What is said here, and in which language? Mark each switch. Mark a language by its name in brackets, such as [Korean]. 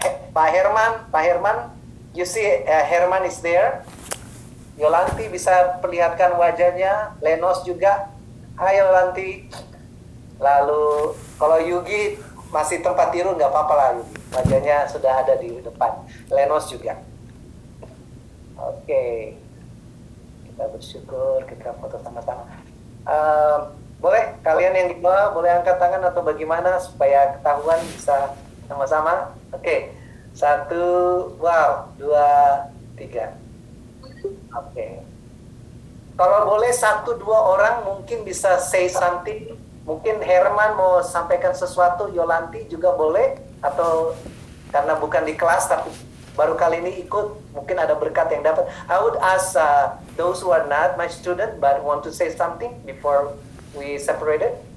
[English] Pak Herman, Pak Herman, you see Herman is there. [Indonesian] Yolanti bisa perlihatkan wajahnya. Lenos juga. Hai Yolanti. Lalu kalau Yugi masih tempat tidur nggak apa-apa lah. Yugi. Wajahnya sudah ada di depan. Lenos juga. Oke. Okay. Kita bersyukur kita foto sama-sama. Boleh kalian yang di bawah boleh angkat tangan atau bagaimana supaya ketahuan bisa sama-sama. Oke. Okay. Satu, wow, dua, tiga. Oke. Okay. Kalau boleh satu, dua orang mungkin bisa [English] say something. [Indonesian] Mungkin Herman mau sampaikan sesuatu, Yolanti juga boleh. Atau karena bukan di kelas tapi baru kali ini ikut, mungkin ada berkat yang dapat. [English] I would ask those who are not my student but want to say something before we separated.